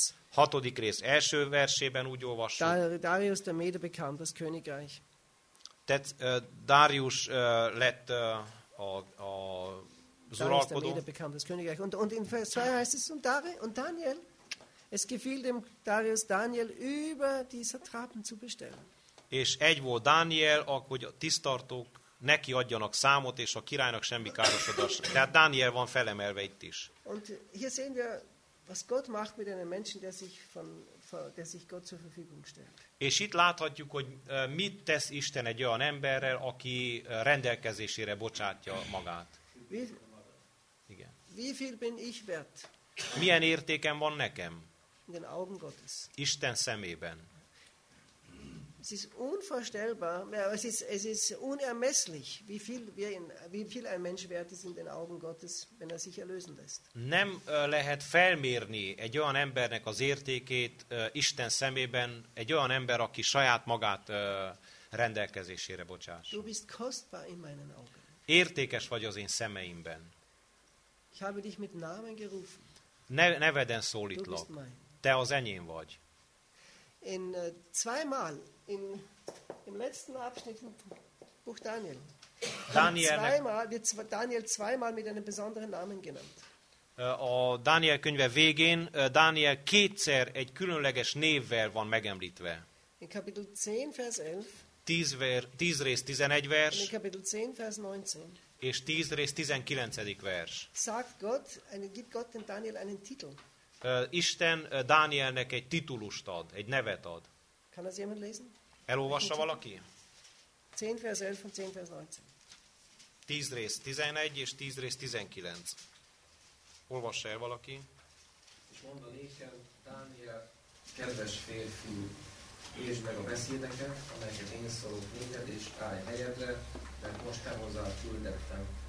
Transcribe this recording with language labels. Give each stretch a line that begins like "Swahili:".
Hungarian: Hatodik rész első versében úgy olvassuk.
German: Darius der Mede bekam das Königreich.
Hungarian: Darius lett a uralkodó.
German: Darius der Mede bekam das Königreich. Und in Vers 2 heißt es, und Daniel, es gefiel dem Darius Daniel über die Satrapen zu bestellen.
Hungarian: És egy volt Daniel, hogy a tisztartók neki adjanak számot, és a királynak semmi károsodás. Tehát Dániel van felemelve itt is.
German: Und hier sehen wir, was Gott macht mit einem Menschen, der sich Gott zur Verfügung stellt.
Hungarian: És itt láthatjuk, hogy mit tesz Isten egy olyan emberrel, aki rendelkezésére bocsátja magát.
German: Igen. Wie viel bin ich wert?
Hungarian: Milyen értékem van nekem?
German: In den Augen Gottes.
Hungarian: Isten szemében.
German: Es ist unvorstellbar, es ist unermesslich, wie viel ein Mensch wert ist in den Augen Gottes, wenn er sich erlösen lässt.
Hungarian: Nem lehet felmérni egy olyan embernek az értékét Isten szemében, egy olyan ember, aki saját magát rendelkezésére bocsáss.
German: Du bist kostbar in meinen Augen.
Hungarian: Értékes vagy az én szemeimben.
German: Ich habe dich mit Namen gerufen.
Hungarian: Neveden szólítlak.
German: Du bist mein.
Hungarian: Te az enyém vagy.
German: In zweimal im letzten Abschnitt im Buch Daniel. Daniel zweimal mit einem besonderen Namen genannt.
Hungarian: A Daniel könyve végén Daniel kétszer egy különleges névvel van megemlítve.
German: In Kapitel 10 Vers 11.
Hungarian: 10 rész 11 vers.
German: In Kapitel 10 Vers 19.
Hungarian: És 10 rész 19. vers.
German: Sagt Gott, gibt Gott dem Daniel einen Titel.
Hungarian: Isten Dánielnek egy titulust ad, egy nevet ad.
German: Kann das jemand lesen?
Hungarian: Elolvassa valaki?
German: 10 vers 11 und 10 vers 19.
Hungarian: 10 rész 11 és 10 rész 19. Olvass el valaki. És mondd a néken, Dániel, kedves férfi, értsd meg a beszédeket, amelyeket én szólok néked, és állj helyedre, mert most te hozzá küldettem.